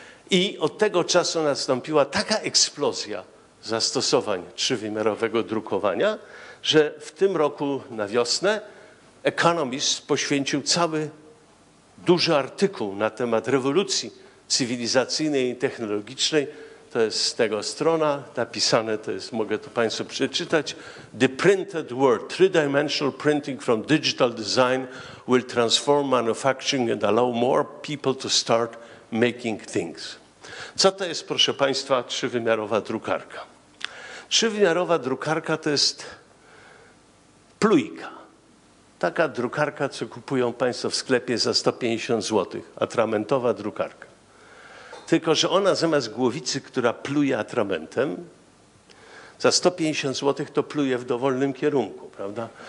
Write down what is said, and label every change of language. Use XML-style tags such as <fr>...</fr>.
<pl>I od tego czasu nastąpiła taka eksplozja zastosowań trzywymiarowego drukowania, że w tym roku na wiosnę Economist poświęcił cały duży artykuł na temat rewolucji cywilizacyjnej i technologicznej. To jest z tego strona napisane, to jest, mogę to Państwu przeczytać.</pl> <en>The printed word, three-dimensional printing from digital design will transform manufacturing and allow more people to start making things.</en> <pl>Co to jest, proszę Państwa, trzywymiarowa drukarka? Trzywymiarowa drukarka to jest plujka. Taka drukarka, co kupują Państwo w sklepie za 150 zł, atramentowa drukarka. Tylko że ona zamiast głowicy, która pluje atramentem, za 150 zł to pluje w dowolnym kierunku, prawda?</pl>